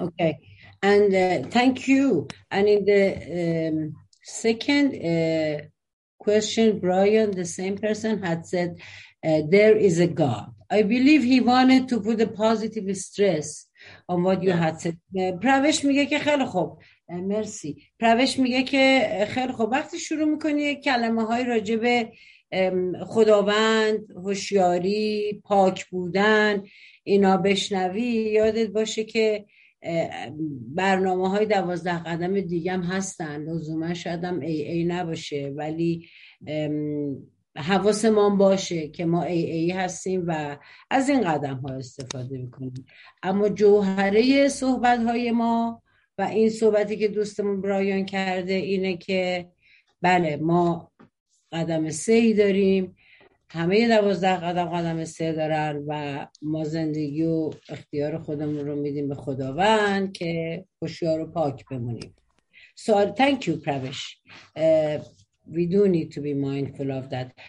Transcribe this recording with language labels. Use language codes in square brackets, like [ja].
[en] Okay, and thank you. And in the second question, Brian, the same person had said, there is a God. I believe he wanted to put a positive stress on what you had said. [fa] پروش میگه که خیلی خوب، مرسی. پروش میگه که خیلی خوب، وقتی شروع میکنی کلمه های راجب خداوند، هوشیاری، پاک بودن اینا بشنوی، یادت باشه که برنامه های 12 قدم دیگه هم هستن. لزوما شاید هم ای ای نباشه، ولی حواس ما باشه که ما ای ای هستیم و از این قدم ها استفاده میکنیم. اما جوهره صحبت های ما و این صحبتی که دوستمون برایان کرده اینه که بله، ما قدم سه داریم، همه 12 قدم قدم سه دارن، و ما زندگی و اختیار خودمون رو میدیم به خداوند که هوشیار و پاک بمونیم. سوال، [en] thank you پروش. We do need to be mindful of that.